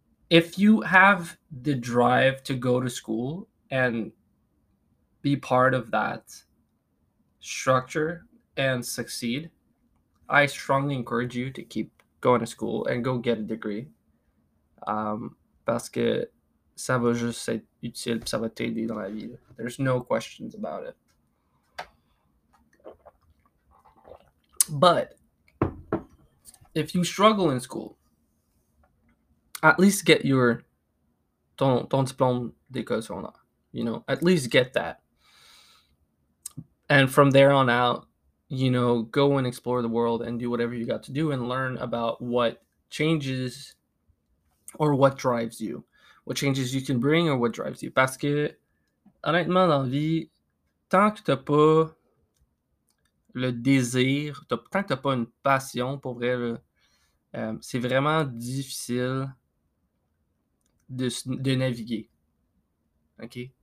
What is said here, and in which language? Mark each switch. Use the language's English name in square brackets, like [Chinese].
[English] If you have the drive to go to school and be part of that structure and succeed, I strongly encourage you to keep going to school and go get a degree. [French] Parce que ça va juste être utile, ça va t'aider dans la vie. [English] There's no questions about it. But if you struggle in school, at least get your [French] ton diplôme d'école secondaire. [English] At least get that. And from there on out, go and explore the world and do whatever you got to do and learn about what changes or what drives you, what changes you can bring or what drives you. [French] Parce que, honnêtement, dans la vie, tant que t'as pas le désir, tant que t'as pas une passion pour vrai, c'est vraiment difficile de naviguer. OK?